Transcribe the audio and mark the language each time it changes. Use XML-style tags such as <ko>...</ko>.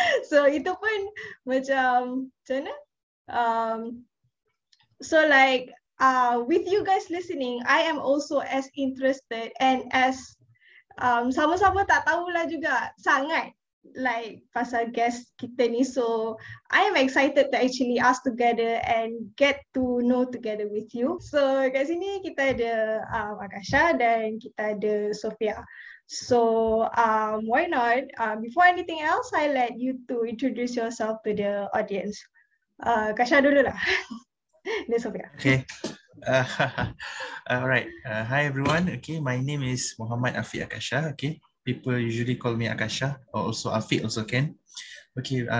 <en>So</en> <ms>itu pun macam mana,</ms> <en>so like with you guys listening, I am also as interested and as</en> <ms>sama-sama tak tahulah juga sangat</ms> <en>like</en> <ms>pasal</ms> <en>guest</en> <ms>kita ni.</ms> <en>So I am excited to actually ask together and get to know together with you.</en> <ms>So kat sini kita ada Akasha dan kita ada Sophia.</ms> <en>So why not, before anything else, I let you to introduce yourself to the audience.</en> <ms>Akasha dululah.</ms> <en>Okay. Alright. Hi everyone. Okay, my name is Muhammad Afiq Akasha. Okay, people usually call me Akasha, or also Afiq also can. Okay.</en>